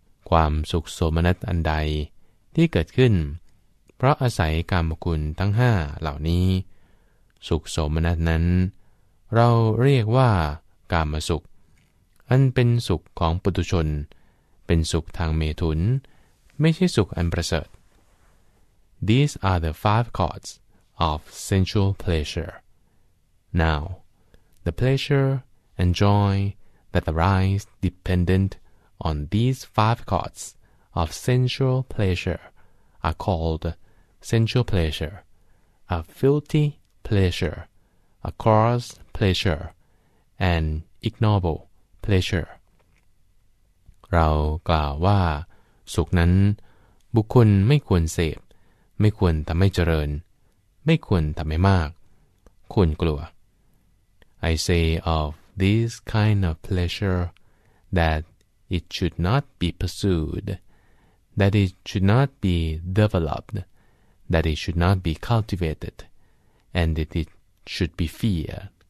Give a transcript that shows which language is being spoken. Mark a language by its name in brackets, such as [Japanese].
[Thai] ความสุขโสมนัสอันใดที่เกิดขึ้นเพราะอาศัยกามคุณทั้ง5เหล่านี้สุขโสมนัสนั้นเราเรียกว่ากามสุขอันเป็นสุขของปุถุชนเป็นสุขทางเมถุนไม่ใช่สุขอันประเสริฐ [English] These are the 5 chords of sensual pleasure. Now, the pleasure and joy that arise dependent on these 5 chords of sensual pleasure are called sensual pleasure, a filthy pleasure, a coarse pleasure, an ignoble pleasure. [Thai] เรากล่าวว่าสุขนั้นบุคคลไม่ควรเสพไม่ควรทำให้เจริญไม่ควรทำให้มากควรกลัว [English] I say of this kind of pleasure that it should not be pursued, that it should not be developed, that it should not be cultivated, and that it should be feared.